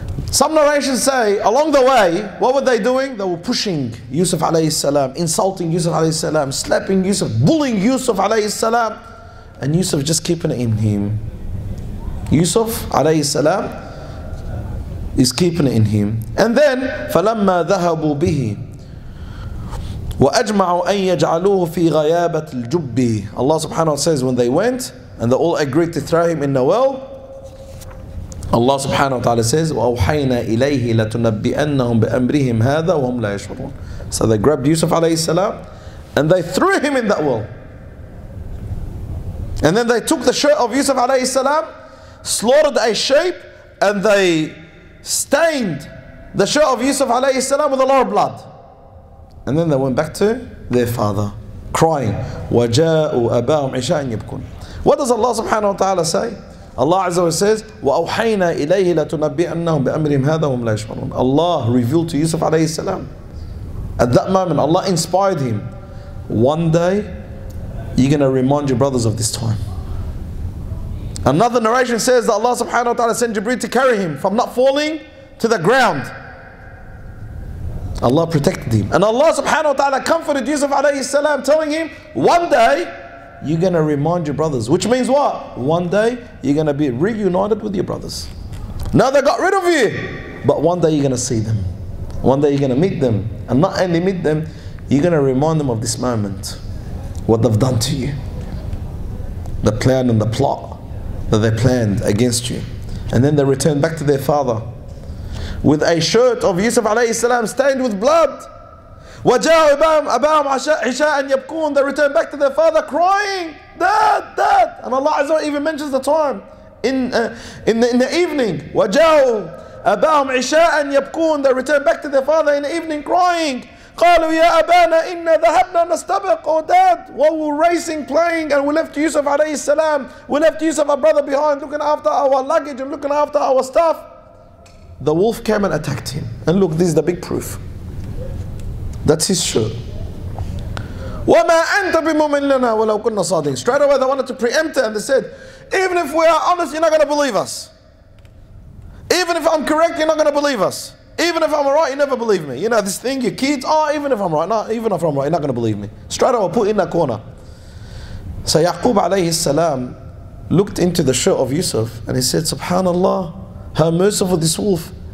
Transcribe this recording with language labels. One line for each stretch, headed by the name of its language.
English: Some narrations say along the way, what were they doing? They were pushing Yusuf alayhi salam, insulting Yusuf alayhi salam, slapping Yusuf, bullying Yusuf alayhi salam, and Yusuf just keeping it in him. Yusuf alayhi salam is keeping it in him. And then
Arabic: فَلَمَّا ذَهَبُوا بِهِ وَأَجْمَعُوا أَن يَجْعَلُوهُ فِي غَيَابَةِ الْجُبِّ.
English: Allah subhanahu wa ta'ala says when they went and they all agreed to throw him in the well, Allah subhanahu wa ta'ala says
Arabic: وَأَوْحَيْنَا إِلَيْهِ لَتُنَبِّئَنَّهُمْ بِأَمْرِهِمْ هَذَا وَهُمْ لَا يَشْعُرُونَ.
English: So they grabbed Yusuf alayhi salam and they threw him in that well. And then they took the shirt of Yusuf alayhi salam, slaughtered a sheep, and they stained the shirt of Yusuf alayhi salam with a lot of blood. And then they went back to their father, crying.
Arabic: وَجَاءُوا أَبَاهُمْ عِشَاءً يَبْكُونَ.
English: What does Allah subhanahu wa ta'ala say? Allah azza wa jalla says,
Arabic: وَأَوْحَيْنَا إِلَيْهِ لَتُنَبِّئَنَّهُمْ بِأَمْرِهِمْ هَذَا وَهُمْ لَا يَشْعُرُونَ.
English: Allah revealed to Yusuf alayhi salam. At that moment, Allah inspired him. One day, you're going to remind your brothers of this time. Another narration says that Allah subhanahu wa ta'ala sent Jibreel to carry him from not falling to the ground. Allah protected him. And Allah subhanahu wa ta'ala comforted Yusuf alayhi salam, telling him, one day you're going to remind your brothers. Which means what? One day you're going to be reunited with your brothers. Now they got rid of you, but one day you're going to see them. One day you're going to meet them. And not only meet them, you're going to remind them of this moment. What they've done to you. The plan and the plot that they planned against you. And then they returned back to their father with a shirt of Yusuf alayhi salam stained with blood.
Arabic: وجاءوا أباهم عشاء يبكون.
English: They return back to their father crying, dad, dad. And Allah Azza wa Jalla even mentions the time in the evening.
Arabic: وجاءوا أباهم عشاء يبكون.
English: They return back to their father in the evening crying.
Arabic: قالوا يا أبانا إن ذهبنا نستبق.
English: Oh dad, while we're racing, playing, and we left Yusuf alayhi salam, we left Yusuf our brother behind, looking after our luggage and looking after our stuff. The wolf came and attacked him. And look, this is the big proof. That's his shirt.
Arabic: وما أنت بمؤمن لنا ولو كنا صادقين.
English: Straight away they wanted to preempt it, and they said, even if we are honest, you're not going to believe us. Even if I'm correct, you're not going to believe us. Even if I'm right, you never believe me. You know this thing, your kids, oh, even if I'm right, no, even if I'm right, you're not going to believe me. Straight away, put in a corner. So Yaqub alayhi salam looked into the shirt of Yusuf and he said, Subhanallah, how merciful this wolf.